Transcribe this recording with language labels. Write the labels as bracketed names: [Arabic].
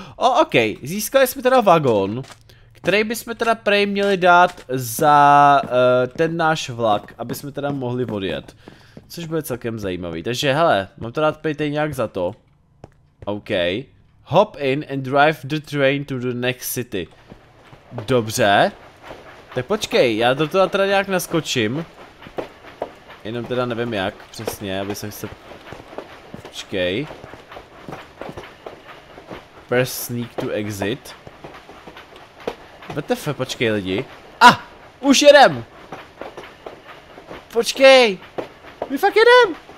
[Czech] Oh, OK, získali jsme teda vagon, který bychom teda prej měli dát za ten náš vlak, aby jsme teda mohli odjet. Což bude celkem zajímavý. Takže hele, mám to dát prej tady nějak za to. OK. [English] Hop in and drive the train to the next city. [Czech] Dobře. Tak počkej, já do toho teda nějak naskočím. Jenom teda nevím jak přesně, aby jsem se... Počkej. [English] Press sneak to exit. [Czech] VTF, počkej lidi. Ah! Už jedem! Počkej! My fakt jedem!